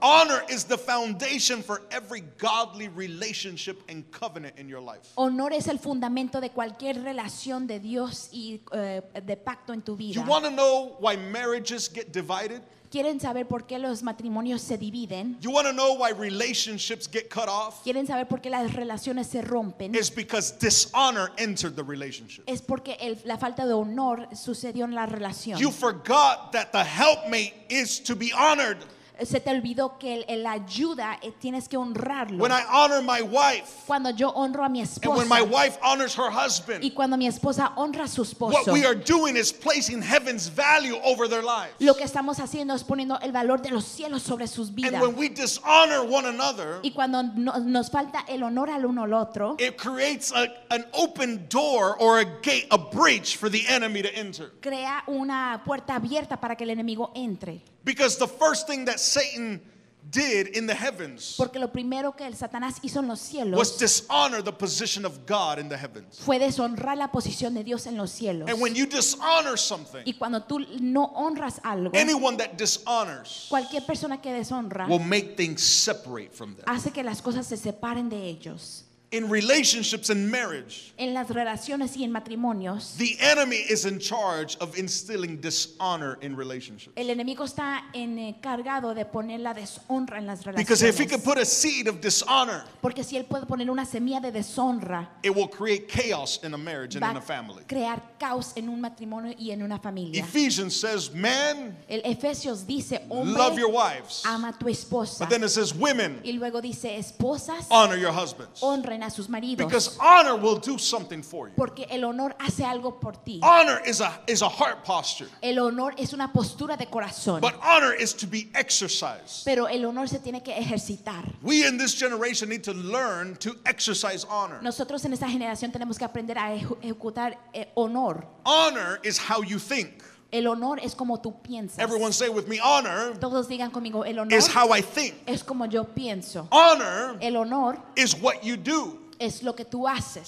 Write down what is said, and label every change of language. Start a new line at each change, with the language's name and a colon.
English: Honor is the foundation for every godly relationship and covenant in your life.
Spanish: Honor es el fundamento de cualquier relación de Dios y de pacto en tu vida.
English: You want to know why marriages get divided?
Spanish: ¿Quieren saber por qué los matrimonios se dividen?
English: You want to know why relationships get cut off?
Spanish: ¿Quieren saber por qué las relaciones se rompen?
English: It's because dishonor entered the relationship.
Spanish: Es porque la falta de honor sucedió en la relación.
English: You forgot that the helpmate is to be honored.
Spanish: Se te olvidó que la ayuda tienes que honrarlo.
English: When I honor my wife,
Spanish: cuando yo honro a mi esposa,
English: and when my wife honors her husband,
Spanish: y cuando mi esposa honra a su esposo,
English: what we are doing is placing heaven's value over their lives.
Spanish: Lo que estamos haciendo es poniendo el valor de los cielos sobre sus vidas.
English: And when we dishonor one another,
Spanish: y cuando nos falta el honor al uno al otro,
English: it creates an open door or a gate, a breach for the enemy to enter.
Spanish: Crea una puerta abierta para que el enemigo entre.
English: Because the first thing that Satan did in the heavens,
Spanish: porque lo primero que el Satanás hizo en los cielos,
English: was dishonor the position of God in the heavens.
Spanish: Fue deshonrar la posición de Dios en los cielos.
English: And when you dishonor something,
Spanish: y cuando tú no honras algo,
English: anyone that dishonors,
Spanish: cualquier persona que deshonra,
English: will make things separate from them.
Spanish: Hace que las cosas se separen de ellos.
English: In relationships and marriage,
Spanish: en las relaciones y en matrimonios,
English: the enemy is in charge of instilling dishonor in relationships.
Spanish: El enemigo está encargado de poner la deshonra en las relaciones.
English: Because if he can put a seed of dishonor,
Spanish: porque si él puede poner una semilla de deshonra,
English: it will create chaos in a marriage and in a family.
Spanish: Va a crear caos en un matrimonio y en una familia.
English: Ephesians says, "Men,
Spanish: el Efesios dice, hombre,
English: love your wives.
Spanish: Ama tu esposa."
English: But then it says, "Women,
Spanish: y luego dice, esposas,
English: honor your husbands." Because honor will do something for you.
Spanish: Porque el honor hace algo por ti.
English: Honor is a heart posture.
Spanish: El honor es una postura de corazón.
English: But honor is to be exercised.
Spanish: Pero el honor se tiene que ejercitar.
English: We in this generation need to learn to exercise honor.
Spanish: Nosotros en esta generación tenemos que aprender a ejecutar honor.
English: Honor is how you think.
Spanish: El honor es como tú piensas.
English: Everyone say with me, honor.
Spanish: Todos digan conmigo, el honor
English: is how I think.
Spanish: Es como yo pienso.
English: Honor,
Spanish: el honor
English: is what you do.
Spanish: Es lo que tú haces.